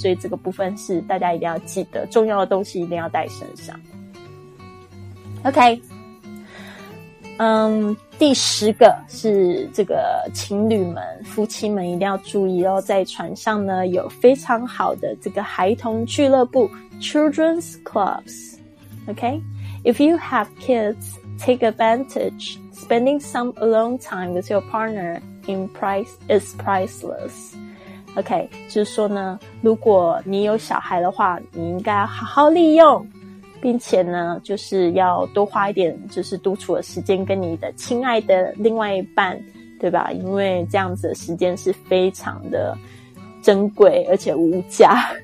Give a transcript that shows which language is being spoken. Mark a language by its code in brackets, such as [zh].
[zh] 所以这个部分是大家一定要记得，重要的东西一定要带身上。 OK， 第十个是这个情侣们、夫妻们一定要注意哦，在船上呢有非常好的这个孩童俱乐部 （Children's Clubs）。 [en] OK， if you have kids, take advantage. Spending some alone time with your partner in is priceless. [zh] OK， 就是说呢，如果你有小孩的话，你应该好好利用，并且呢，就是要多花一点就是独处的时间跟你的亲爱的另外一半，对吧？因为这样子的时间是非常的珍贵而且无价。